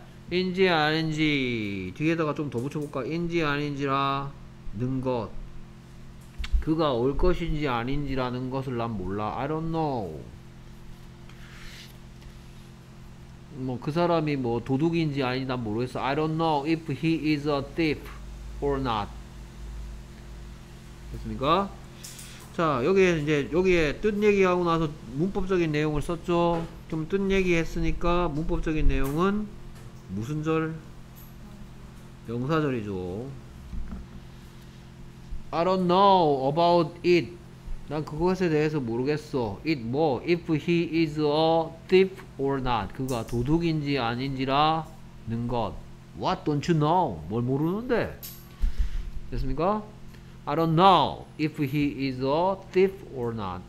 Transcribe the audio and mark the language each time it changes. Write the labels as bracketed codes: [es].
[ko] 인지 아닌지 뒤에다가 좀 더 붙여볼까? 인지 아닌지라는 것 그가 올 것인지 아닌지라는 것을 난 몰라. [en] I don't know. [ko] 뭐 그 사람이 뭐 도둑인지 아닌지 난 모르겠어. [en] I don't know if he is a thief or not. [ko] 됐습니까? 자 여기에 이제 여기에 뜻 얘기하고 나서 문법적인 내용을 썼죠. 좀 뜻 얘기했으니까 문법적인 내용은 무슨 절? 명사절이죠. [en] I don't know about it. [ko] 난 그것에 대해서 모르겠어. [en] It [ko] 뭐? [en] If he is a thief or not. [ko] 그가 도둑인지 아닌지라는 것. [en] What don't you know? [ko] 뭘 모르는데? 됐습니까? [en] I don't know if he is a thief or not.